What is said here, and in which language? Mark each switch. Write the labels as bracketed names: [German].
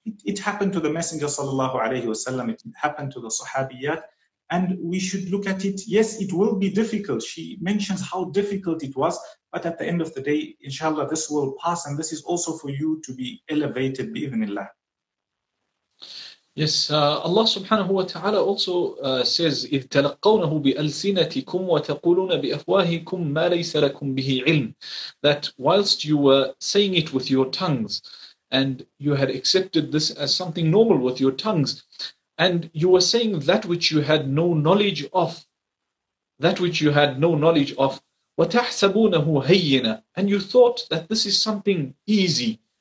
[English] It happened to the Messenger sallallahu alayhi wasallam. It happened to the Sahabiyat. And we should look at it. Yes, it will be difficult. She mentions how difficult it was. But at the end of the day, inshallah, this will pass. And this is also for you to be elevated, bi-ithnillah. Yes, Allah subhanahu wa ta'ala also says, [Arabic] إِذْ تَلَقَّوْنَهُ بِأَلْسِنَتِكُمْ وَتَقُولُونَ بِأَفْوَاهِكُمْ مَا لَيْسَ لَكُمْ بِهِ عِلْمٍ. [English] That whilst you were saying it with your tongues, and you had accepted this as something normal with your tongues, and you were saying that which you had no knowledge of, that which you had no knowledge of, [Arabic] وَتَحْسَبُونَهُ هَيِّنًا, [English] and you thought that this is something easy.